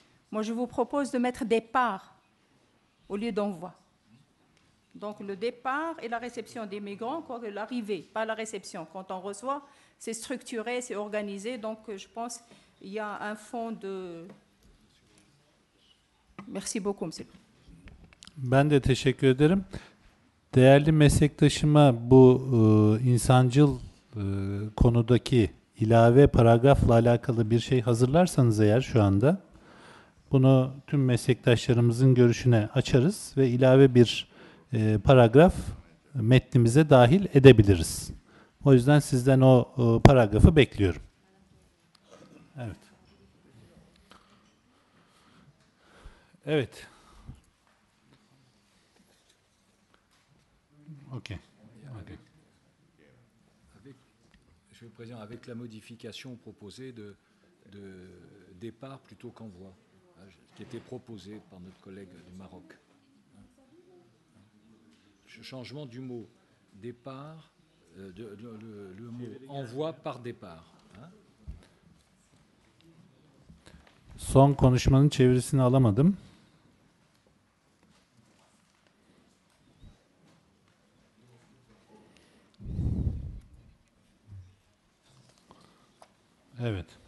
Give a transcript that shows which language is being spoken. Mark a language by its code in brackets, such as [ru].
[fr] Moi, je vous propose de mettre des parts au lieu d'envoi. Donc le départ et la réception des migrants, quoi, l'arrivée, pas la réception. Quand on reçoit, c'est structuré, c'est organisé. Donc je pense qu'il y a un fond de... Merci beaucoup, monsieur. [tr] Ben de teşekkür ederim. Değerli meslektaşıma bu insancıl konudaki ilave paragrafla alakalı bir şey hazırlarsanız eğer şu anda... Bunu tüm meslektaşlarımızın görüşüne açarız ve ilave bir paragraf metnimize dahil edebiliriz. O yüzden sizden o paragrafı bekliyorum. Evet. Evet. Okay. [fr] Monsieur le Président, avec la modification proposée de départ plutôt qu'envoi. Qui était proposé par notre collègue du Maroc. Changement du mot départ, le mot envoi par départ. [tr] Son konuşmanın çevirisini alamadım. Evet.